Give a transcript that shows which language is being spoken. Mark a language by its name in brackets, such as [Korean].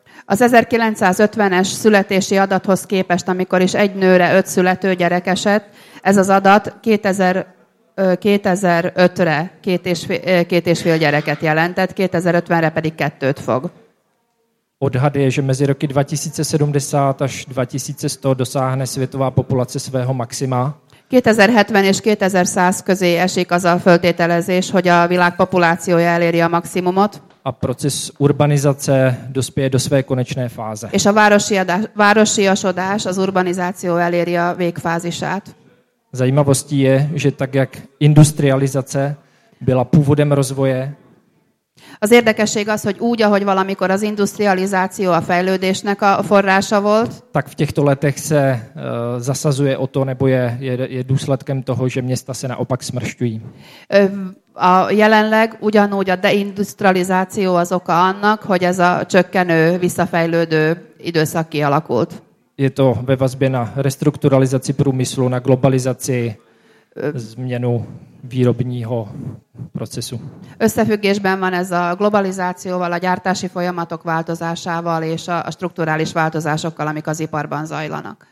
[Hungarian] Az 1950-es születési adathoz képest, amikor is egy nőre 5 születő gyerek esett, ez az adat 2005-re 2,5 gyereket jelentett, 2050-re pedig 2-t fog. [Czech] Odhad je, že mezi roky 2070 až 2100 dosáhne světová populace svého maxima. [Hungarian] 2070 és 2100 közé esik az a föltételezés, hogy a világ populációja eléri a maximumot. [Czech] A proces urbanizace dospěje do své konečné fáze. [Hungarian] És a városiasodás az urbanizáció eléri a végfázisát. [Czech] Zajímavostí je, že tak jak industrializace byla původem rozvoje. [Hungarian] Az érdekesség az, hogy úgy, ahogy valamikor az industrializáció a fejlődésnek a forrása volt. [Czech] Tak v těchto letech se zasazuje o to, nebo je důsledkem toho, že města se naopak smršťují. [Hungarian] A jelenleg ugyanúgy a deindustrializáció az oka annak, hogy ez a csökkenő, visszafejlődő időszak kialakult. [Czech] Je to ve vazbě na restrukturalizaci průmyslu, na globalizaci, změnu výrobního procesu. [Hungarian] Összefüggésben van ez a globalizációval, a gyártási folyamatok változásával és a strukturális változásokkal, amik az iparban zajlanak.